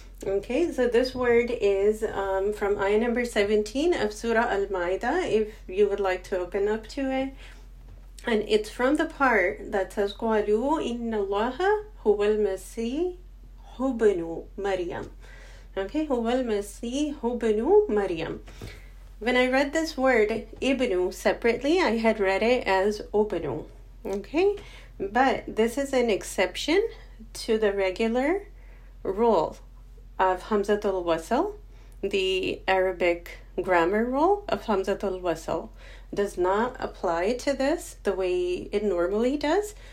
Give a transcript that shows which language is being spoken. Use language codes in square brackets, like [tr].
[en] Okay, so this word is from ayah number 17 of Surah Al-Ma'idah, if you would like to open up to it. And it's from the part that says, [ar] قَالُوا إِنَّ اللَّهَ هُوَ الْمَسِيحُ بْنُ مَرْيَمَ. Okay, هُوَ الْمَسِيحُ بْنُ مَرْيَمَ. [en] When I read this word, ibnu, separately, I had read it as ubnu. Okay, but this is an exception to the regular rule of Hamzatul Wasl. The Arabic grammar rule of Hamzatul Wasl does not apply to this the way it normally does.